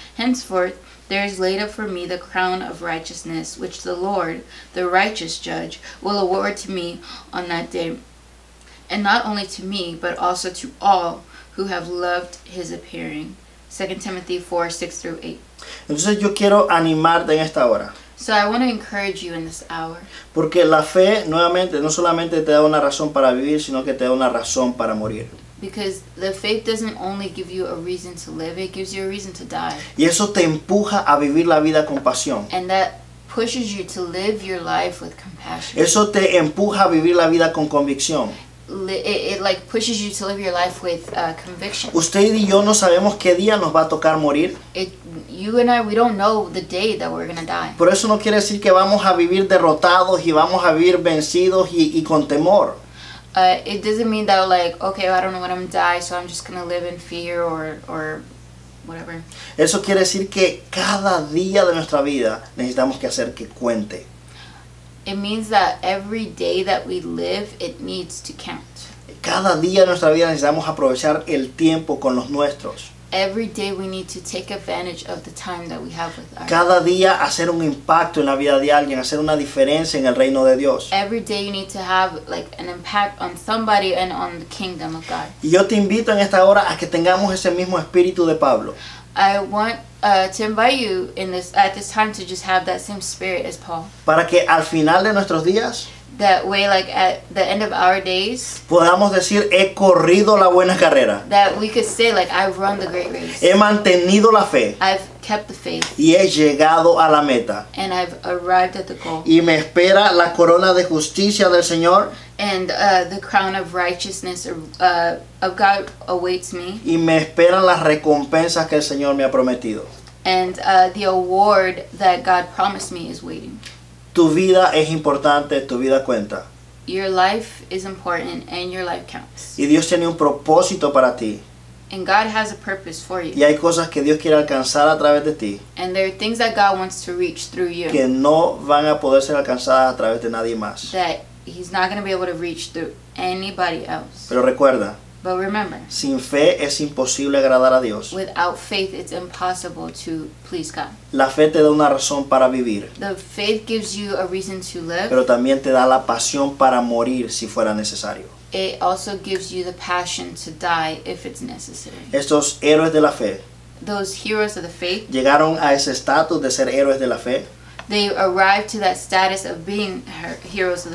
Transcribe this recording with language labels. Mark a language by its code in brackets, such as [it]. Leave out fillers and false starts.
[en] Henceforth, there is laid up for me the crown of righteousness, which the Lord, the righteous judge, will award to me on that day. And not only to me, but also to all who have loved his appearing. 2 Timothy 4, 6 through 8. [es] Entonces yo quiero animarte en esta hora. [en] So I want to encourage you in this hour. [es] Porque la fe, nuevamente, no solamente te da una razón para vivir, sino que te da una razón para morir. [en] Because the faith doesn't only give you a reason to live, it gives you a reason to die. [es] Y eso te empuja a vivir la vida con pasión. [en] And that pushes you to live your life with compassion. [es] Eso te empuja a vivir la vida con convicción. [en] It like pushes you to live your life with conviction. [es] Usted y yo no sabemos qué día nos va a tocar morir. [en] You and I, we don't know the day that we're going to die. [es] Por eso no quiere decir que vamos a vivir derrotados y vamos a vivir vencidos y con temor. [en] It doesn't mean that like, okay, I don't know when I'm gonna die, so I'm just gonna live in fear or whatever. [es] Eso quiere decir que cada día de nuestra vida necesitamos que hacer que cuente. [en] It means that every day that we live, it needs to count. [es] Cada día de nuestra vida necesitamos aprovechar el tiempo con los nuestros. [en] Every day we need to take advantage of the time that we have with our. [es] Cada día hacer un impacto en la vida de alguien, hacer una diferencia en el reino de Dios. [en] Every day you need to have like an impact on somebody and on the kingdom of God. [es] Y yo te invito en esta hora a que tengamos ese mismo espíritu de Pablo. [en] I want to invite you in this at this time to just have that same spirit as Paul. [es] Para que al final de nuestros días, [en] that way, like at the end of our days, [es] podamos decir he corrido la buena carrera. [en] That we could say like I've run the great race. [es] He mantenido la fe. [en] I've kept the faith. [es] Y he llegado a la meta. [en] And I've arrived at the goal. [es] Y me espera la corona de justicia del Señor. [en] And the crown of righteousness of God awaits me. [es] Y me esperan las recompensas que el Señor me ha prometido. [en] And the award that God promised me is waiting. [es] Tu vida es importante, tu vida cuenta. [en] Your life is important and your life counts. [es] Y Dios tiene un propósito para ti. [en] And God has a purpose for you. [es] Y hay cosas que Dios quiere alcanzar a través de ti. [en] And there are things that God wants to reach through you. [es] Que no van a poder ser alcanzadas a través de nadie más. [en] That he's not going to be able to reach through anybody else. [es] Pero recuerda. [en] But remember. [es] Sin fe es imposible agradar a Dios. [en] Without faith it's impossible to please God. [es] La fe te da una razón para vivir. [en] The faith gives you a reason to live. [es] Pero también te da la pasión para morir si fuera necesario. [en] It also gives you the passion to die if it's necessary. [es] Estos héroes de la fe. [en] Those heroes of the faith. [es] Llegaron a ese estatus de ser héroes de la fe. [en] They arrived to that status of being heroes of the faith.